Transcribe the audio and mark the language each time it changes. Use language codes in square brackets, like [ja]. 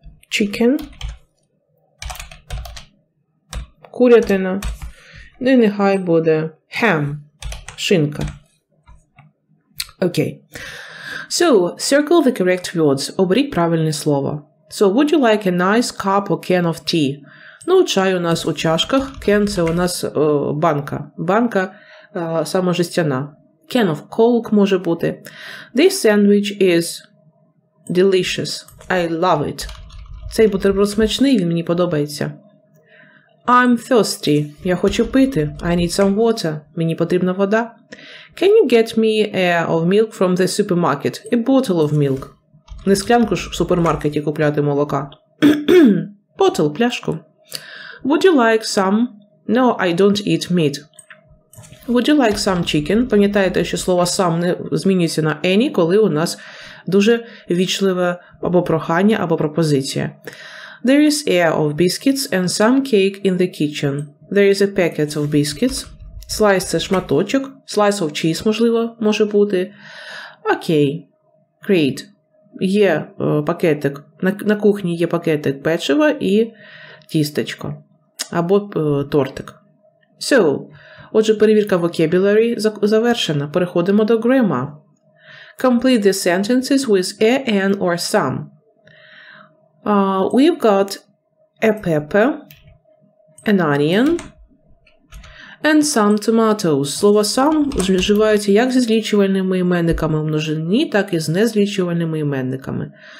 [en] Chicken. [uk] Курятина. Ну, нехай буде ham. Шинка. Okay. [en] So, circle the correct words. [uk] Оберіть правильне слово. [en] So, would you like a nice cup or can of tea? [uk] Ну, чай у нас у чашках. Can – це у нас банка. Банка – саме жестяна. [en] Can of Coke [uk] може бути. [en] This sandwich is delicious. I love it. [uk] Цей бутерброд смачний, він мені подобається. [en] I'm thirsty. [uk] Я хочу пити. [en] I need some water. [uk] Мені потрібна вода. [en] Can you get me a of milk from the supermarket? A bottle of milk. [uk] Не склянку ж в супермаркеті купляти молока. [en] Bottle, [uk] пляшку. [en] Would you like some? No, I don't eat meat. Would you like some chicken? [uk] Пам'ятаєте, що слово «some» не змінюється на «any», коли у нас дуже вічливе або прохання, або пропозиція. [en] There is air of biscuits and some cake in the kitchen. There is a packet of biscuits. Slice – [uk] це шматочок. [en] Slice of cheese, [uk] можливо, може бути. [en] Okay. Great. [uk] Є пакетик. На кухні є пакетик печива і тістечко. Або тортик. So, отже, перевірка vocabulary завершена. Переходимо до grammar. [en] Complete the sentences with a, an, or some. We've got a pepper, an onion, and some tomatoes. [uk] Слово some вживається як зі злічувальними іменниками в множині, так і з незлічувальними іменниками.